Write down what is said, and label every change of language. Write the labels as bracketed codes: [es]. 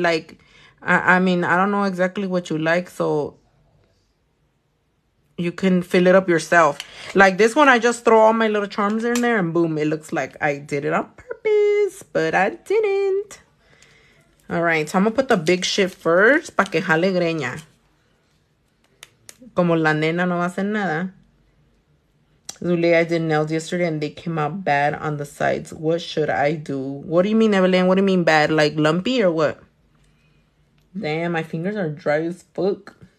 [en] Like, I mean, I don't know exactly what you like, so you can fill it up yourself. Like this one, I just throw all my little charms in there and boom, it looks like I did it on purpose, but I didn't. All right, so I'm gonna put the big shit first. [es] Pa que jale greña. Como la nena no va a hacer nada. [en] Zule, I did nails yesterday and they came out bad on the sides. What should I do? What do you mean, Evelyn? What do you mean bad? Like lumpy or what? Damn, my fingers are dry as fuck.